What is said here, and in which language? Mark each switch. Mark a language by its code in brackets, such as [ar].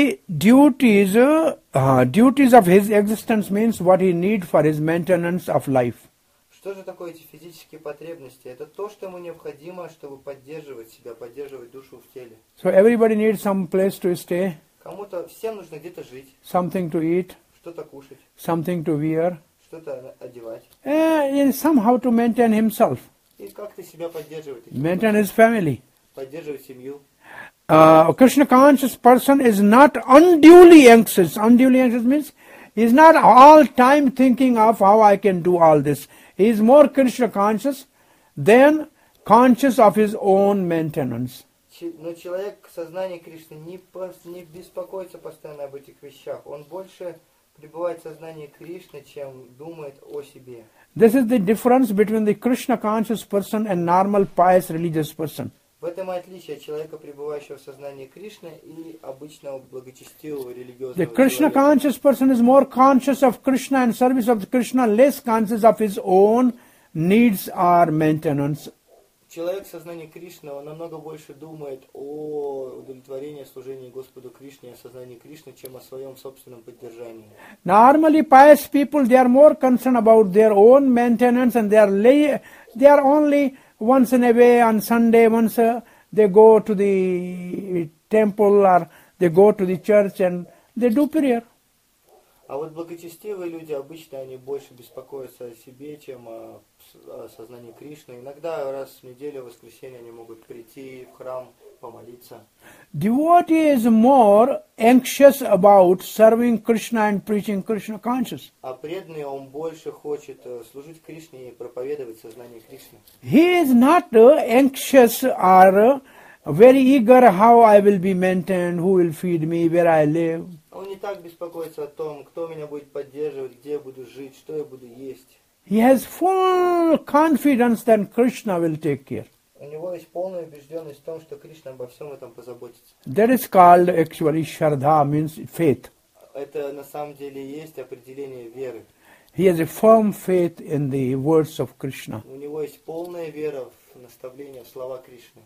[en] Duties of his existence means what he need for his maintenance of life. [ru] Что же такое эти физические потребности? Это то, что ему необходимо, чтобы поддерживать себя, поддерживать душу в теле. [en] So everybody needs some place to stay. [ru] Кому-то всем нужно где-то жить. [en] Something to eat. [ru] Что-то кушать. [en] Something to wear. [ru] Что-то одевать. [en] And somehow to maintain himself. [ru] И как-то себя поддерживать. [en] Maintain his family. [ru] Поддерживать семью. [en] Krishna conscious person is not unduly anxious. Unduly anxious means he is not all time thinking of how I can do all this. He is more Krishna conscious than conscious of his own maintenance. [ru] Но человек в сознании Кришны не беспокоится постоянно об этих вещах. Он больше... пребывает в сознании Кришны, чем думает о себе. [en] This is the difference between the Krishna conscious person and normal pious religious person. [ru] В этом и отличие человека, пребывающего в сознании Кришны, и обычного благочестивого религиозного. [en] The Krishna conscious person is more conscious of Krishna and service of Krishna, less conscious of his own needs or maintenance. [ru] Человек в сознании Кришны, он намного больше думает о удовлетворении служения Господу Кришне и о сознании Кришны, чем о своем собственном поддержании. [en] Normally pious people, they are more concerned about their own maintenance and they are only once in a way on Sunday, once they go to the temple or they go to the church and they do prayer. [ru] А вот благочестивые люди, обычно они больше беспокоятся о себе, чем о сознании Кришны. Иногда раз в неделю, в воскресенье, они могут прийти в храм, помолиться. [en] Devotee is more anxious about serving Krishna and preaching Krishna conscious. [ru] А преданный, он больше хочет служить Кришне и проповедовать сознание Кришны. [en] He is not anxious or very eager how I will be maintained, who will feed me, where I live. [ru] Он не так беспокоится о том, кто меня будет поддерживать, где я буду жить, что я буду есть. [en] He has full confidence that Krishna will take care. [ru] У него есть полная убежденность в том, что Кришна обо всем этом позаботится. [en] That is called actually Shraddha, means faith. [ru] Это на самом деле есть определение веры. [en] He has a firm faith in the words of Krishna. [ru] У него есть полная вера в наставления, в слова Кришны.